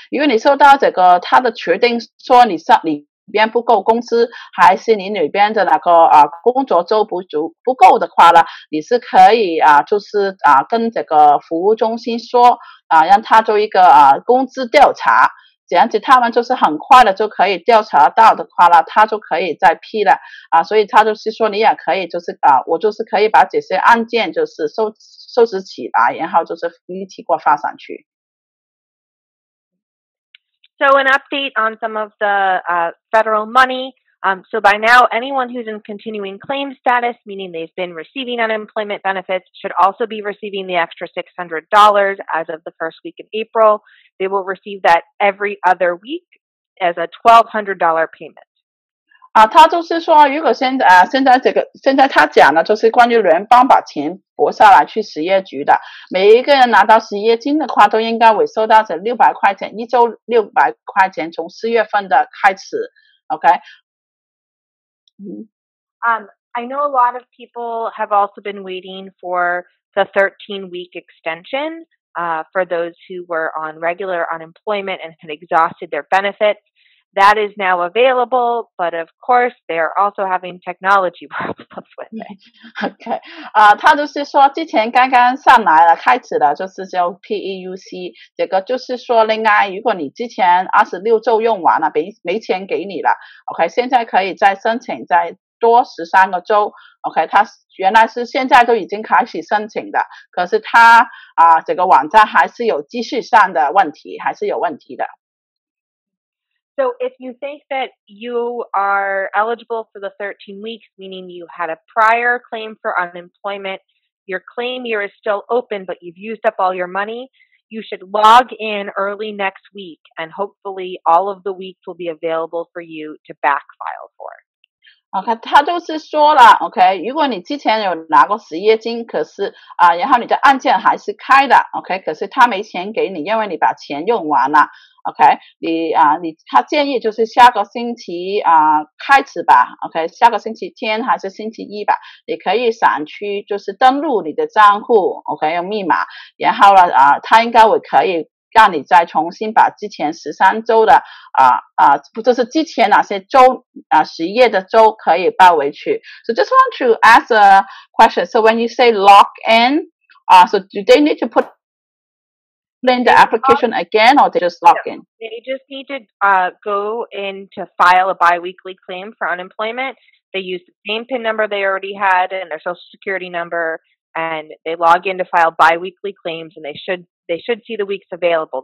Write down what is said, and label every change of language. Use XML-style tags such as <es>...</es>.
<zh>如果你收到这个，他的确定说你上你里边不够工资，还是你里边的那个工作周不足不够的话呢，你是可以跟这个服务中心说让他做一个工资调查，这样子他们就是很快的就可以调查到的话呢，他就可以再批了所以他就是说你也可以就是我就是可以把这些案件就是收拾起来，然后就是一起过发上去。</zh> <en>So an update on some of the federal money. So by now, anyone who's in continuing claim status, meaning they've been receiving unemployment benefits, should also be receiving the extra $600 as of the first week of April. They will receive that every other week as a $1,200 payment.</en> <zh>他就是说如果现在他讲的就是关于联邦把钱拨下来去失业局的，每一个人拿到失业金的话都应该会收到这600块钱，一周600块钱从四月份的开始 ,OK?</zh> <en>I know a lot of people have also been waiting for the 13-week extension, for those who were on regular unemployment and had exhausted their benefits. That is now available, but of course, they are also having technology problems with it. Okay.</en> <zh>他就是说之前刚刚上来了，开始了，就是叫 PEUC, 这个就是说另外，如果你之前26周用完了，没钱给你了 ,OK, 现在可以再申请再多13个周 ,OK, 他原来是现在都已经开始申请的，可是他这个网站还是有继续上的问题，还是有问题的。</zh> <en>So if you think that you are eligible for the 13 weeks, meaning you had a prior claim for unemployment, your claim year is still open, but you've used up all your money, you should log in early next week, and hopefully all of the weeks will be available for you to backfile for.</en> <zh>OK, 他就是说了 ,OK, 如果你之前有拿过失业金可是然后你的案件还是开的 ,OK, 可是他没钱给你，因为你把钱用完了 ,OK, 他建议就是下个星期开始吧 ,OK, 下个星期天还是星期一吧，你可以上去就是登录你的账户 ,OK, 用密码，然后呢他应该会可以让你再重新把之前13周的不就是之前哪些周失业的周可以报回去。</zh> <en>So just want to ask a question. So when you say log in, so do they need to put in the application again or they just log in? They just need to go in to file a biweekly claim for unemployment. They use the same PIN number they already had and their social security number and they log in to file biweekly claims and they should see the weeks available.</en>